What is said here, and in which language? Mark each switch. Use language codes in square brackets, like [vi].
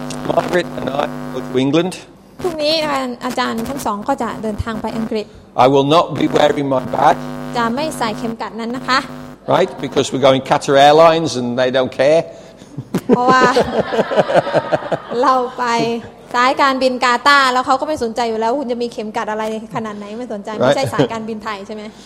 [en] Margaret and I go to England [th] พรุ่งนี้อาจารย์ทั้งสองก็จะเดินทางไปอังกฤษ [en] I will not be wearing my badge [th] จะไม่ใส่เข็มกลัดนั้นนะคะ [en] Right because we're going Qatar Airlines and they don't care [th] เพราะว่าเราไปสายการบินกาตาร์แล้วเขาก็ไม่สนใจอยู่แล้วคุณจะมีเข็มกัดอะไรขนาดไหนไม่สนใจ [en] right. [th] ไม่ใช่สายการบินไทยใช่ไหม